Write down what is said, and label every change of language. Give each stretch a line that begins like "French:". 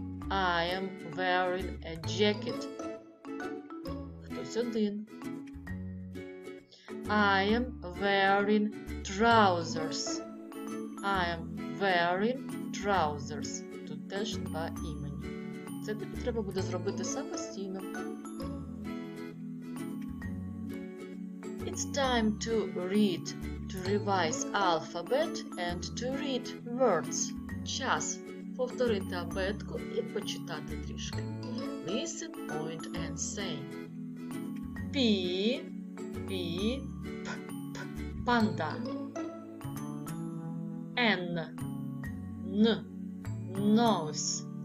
English: I am wearing a jacket.
Ukrainian: Хтось один.
English: I am wearing trousers. I am wearing trousers.
Ukrainian: Тут теж два імені. Це тобі треба буде зробити самостійно.
English: It's time to read, to revise alphabet and to read words.
Ukrainian: Час повторити абетку і почитати трішки.
English: Listen, point and say. P, P, P, P, panda. N, N, nose.